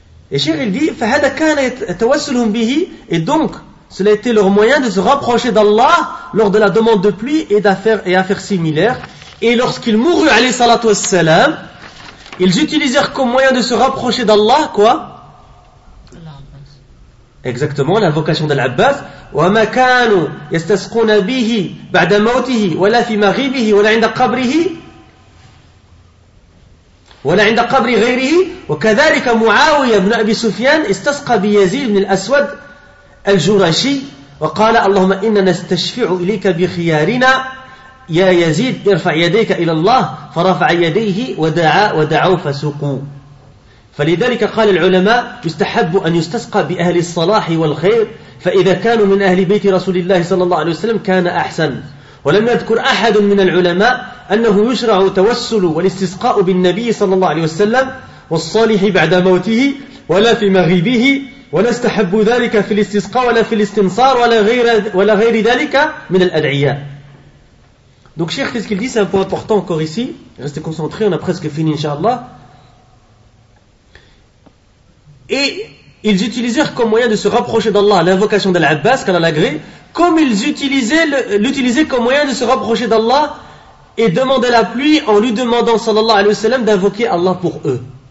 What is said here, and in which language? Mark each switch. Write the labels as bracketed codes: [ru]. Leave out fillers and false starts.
[fr] Et Cheikh il dit, [ar] فَهَدَا كَانَ يَتَوَسُلُهُمْ بِهِ. [fr] Et donc, cela était leur moyen de se rapprocher d'Allah lors de la demande de pluie et affaires similaires. Et lorsqu'il mourut, alayhi salatu wassalam, ils utilisèrent comme moyen de se rapprocher d'Allah, quoi? L'Abbas. Exactement, l'invocation de l'Abbas. [ar] وَمَا كَانُوا يَسْتَسْقُونَ بِهِ بَعْدَ مَوْتِهِ وَلَا فِي مَغِيبِهِ وَلَا عِنْدَ قَبْرِهِ ولا عند قبر غيره وكذلك معاوية بن أبي سفيان استسقى بيزيد بن الأسود الجرشي وقال اللهم إننا نستشفع إليك بخيارنا يا يزيد ارفع يديك إلى الله فرفع يديه ودعا ودعوا فسقوا. فلذلك قال العلماء يستحب أن يستسقى بأهل الصلاح والخير، فإذا كانوا من أهل بيت رسول الله صلى الله عليه وسلم كان أحسن. ولم يذكر أحد من العلماء أنه يشرع توسل والاستسقاء بالنبي صلى الله عليه وسلم والصالح بعد موته ولا في مغيبه، ولا استحب ذلك في الاستسقاء ولا في الاستنصار ولا غير ذلك من الأدعية. [fr] Donc Cheikh, qu'est-ce qu'il dit? C'est un point important encore ici. Restez concentrés, on a presque fini, Inch'Allah. Et ils utilisèrent comme moyen de se rapprocher d'Allah l'invocation d'Al-Abbas, qu'Allah l'agré, comme ils l'utilisaient comme moyen de se rapprocher d'Allah et demander la pluie en lui demandant, sallallahu alayhi wa sallam, d'invoquer Allah pour eux.